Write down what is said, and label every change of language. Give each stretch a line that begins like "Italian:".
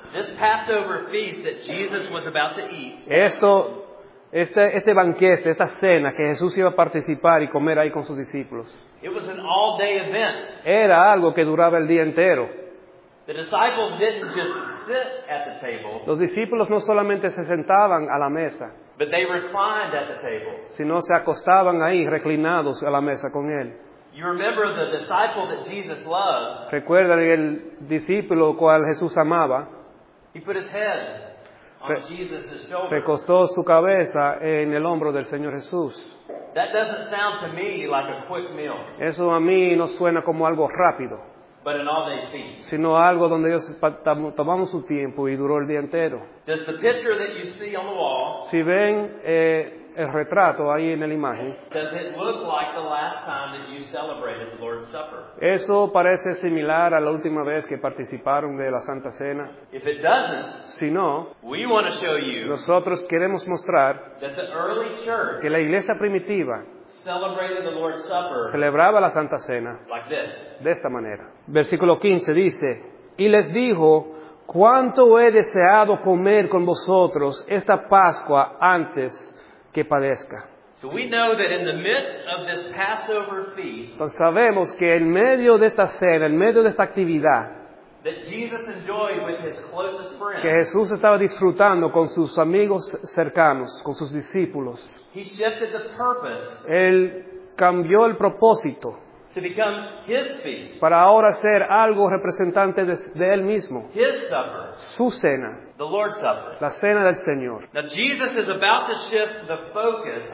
English: This Passover feast that Jesus was about to eat,
Spanish: Este banquete, esta cena que Jesús iba a participar y comer ahí con sus discípulos.
English: It was an all-day event.
Spanish: Era algo que duraba el día entero.
English: The disciples didn't just sit at the table,
Spanish: los discípulos no solamente se sentaban a la mesa,
English: but they reclined at the table.
Spanish: Sino se acostaban ahí reclinados a la mesa con Él.
English: You remember the disciple that Jesus loved.
Spanish: Recuerda el discípulo cual Jesús amaba.
English: He put his head on Jesus' shoulder.
Spanish: Recostó su cabeza en el hombro del Señor Jesús.
English: That doesn't sound to me like a quick meal.
Spanish: Eso a mí no suena como algo rápido.
English: But an all-day feast.
Spanish: Sino algo donde ellos tomamos su tiempo y duró el día entero.
English: Does the picture that you see on the wall?
Spanish: Si ven el retrato ahí en la imagen.
English: Does it look like the last time that you celebrated the Lord's Supper?
Spanish: Eso parece similar a la última vez que participaron de la Santa Cena.
English: If it doesn't,
Spanish: si no,
English: we want to show you.
Spanish: Nosotros queremos mostrar
English: that the early church,
Spanish: que la iglesia primitiva,
English: celebrated the Lord's Supper,
Spanish: celebraba la Santa Cena,
English: like this,
Spanish: de esta manera. Versículo 15 dice, y les dijo, cuánto he deseado comer con vosotros esta Pascua antes que padezca.
English: So we know that in the midst of this Passover feast,
Spanish: entonces sabemos que en medio de esta cena, en medio de esta actividad,
English: that Jesus enjoyed with his closest friends,
Spanish: que Jesús estaba disfrutando con sus amigos cercanos, con sus discípulos,
English: he shifted the purpose,
Spanish: él cambió el propósito,
English: to become his feast,
Spanish: para ahora ser algo representante de él mismo,
English: his supper,
Spanish: su cena,
English: the Lord's supper,
Spanish: la cena del Señor.
English: Now Jesus is about to shift the focus,